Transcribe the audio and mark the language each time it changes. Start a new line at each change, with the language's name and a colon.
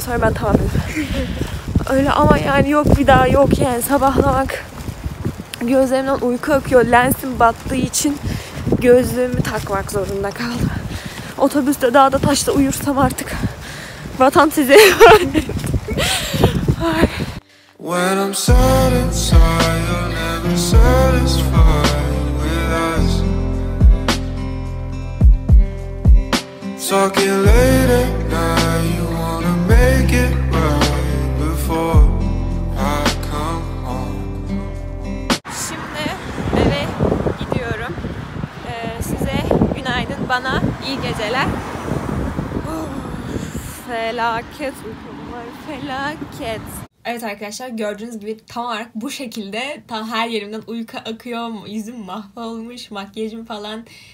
Turkish: Sonra ben tamam dedim. Öyle ama yani yok bir daha yok yani. Sabahlamak. Gözlerimden uyku akıyor. Lensim battığı için gözlüğümü takmak zorunda kaldım. Otobüste dağda taşta uyursam artık. Vatan size.
English: When I'm sad inside, you're never satisfied with us. Talking late at night, you wanna make it right before I come home.
Turkish: Şimdi eve gidiyorum. Size günaydın, bana iyi geceler. Felaket uykum var, felaket. Evet arkadaşlar, gördüğünüz gibi tam olarak bu şekilde, tam her yerimden uyku akıyor, yüzüm mahvolmuş, makyajım falan.